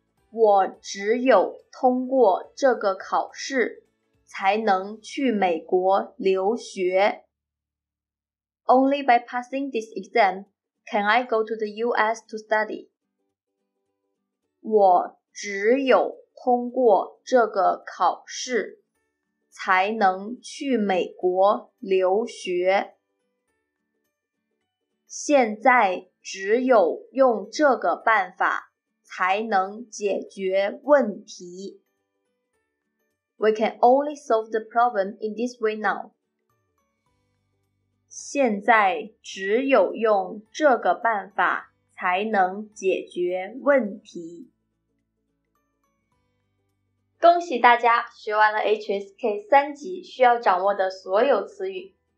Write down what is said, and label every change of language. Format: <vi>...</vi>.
<zh>我只有通过这个考试才能去美国留学。</zh> <en>Only by passing this exam can I go to the US to study.</en> <zh>我只有通过这个考试才能去美国留学。现在只有用这个办法才能解决问题。</zh> <en>We can only solve the problem in this way now.</en> <zh>现在只有用这个办法才能解决问题。恭喜大家学完了 HSK 三级需要掌握的所有词语。</zh>